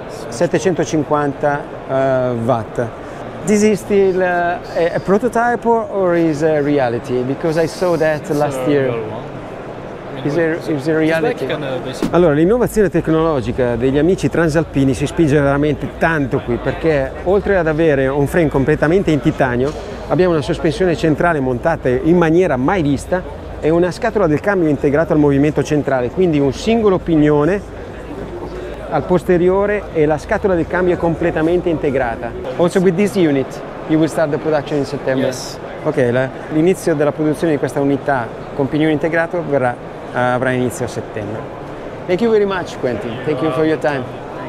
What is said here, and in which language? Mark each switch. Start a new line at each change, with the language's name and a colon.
English: 750 watt. This is still a prototype or is a reality? Because I saw that it's last a year. Real one. Is there reality?
Italian: Like allora, l'innovazione tecnologica degli amici transalpini si spinge veramente tanto qui, perché oltre ad avere un frame completamente in titanio, abbiamo una sospensione centrale montata in maniera mai vista e una scatola del cambio integrata al movimento centrale, quindi un singolo pignone al posteriore e la scatola del cambio è completamente integrata.
English: Also with this unit you will start the production in September. Yes.
Italian: Ok, l'inizio della produzione di questa unità con pignone integrato avrà inizio a settembre.
English: Thank you very much Quentin. Thank you for your time.